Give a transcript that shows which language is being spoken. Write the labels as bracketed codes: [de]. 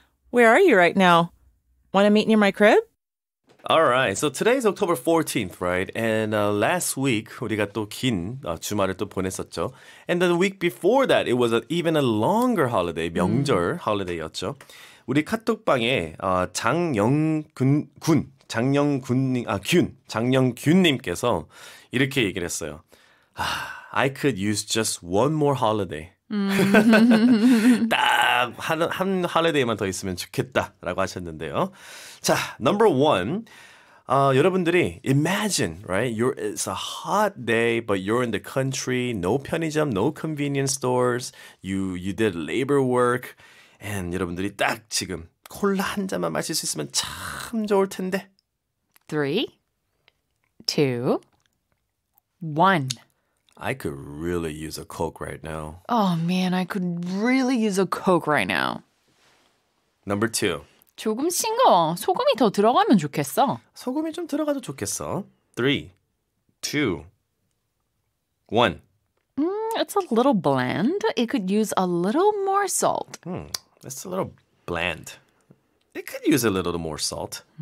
[en] Where are you right now? Want to meet near my crib? All right. So today's October 14th, right? And last week, [ko] 우리가 또 긴 주말을 또 보냈었죠. [en] And then the week before that, it was even a longer holiday, [ko] 명절 [en] holiday였죠. [ko] 우리 카톡방에 장영균님께서 이렇게 얘기를 했어요. [en] I could use just one more holiday. [ko] 딱 한 홀리데이만 더 있으면 좋겠다라고 하셨는데요. [en] 자, number one, [ko] 여러분들이 [en] imagine, right? It's a hot day, but you're in the country, no 편의점, no convenience stores. You did labor work, and [ko] 여러분들이 딱 지금 콜라 한 잔만 마실 수 있으면 참 좋을 텐데. [en] 3, 2, 1. I could really use a Coke right now. Oh, man, I could really use a Coke right now. Number two. [ko] 조금 싱거워. 소금이 더 들어가면 좋겠어. 소금이 좀 들어가도 좋겠어. [en] 3, 2, 1. It's a little bland. It could use a little more salt. It's a little bland. It could use a little more salt.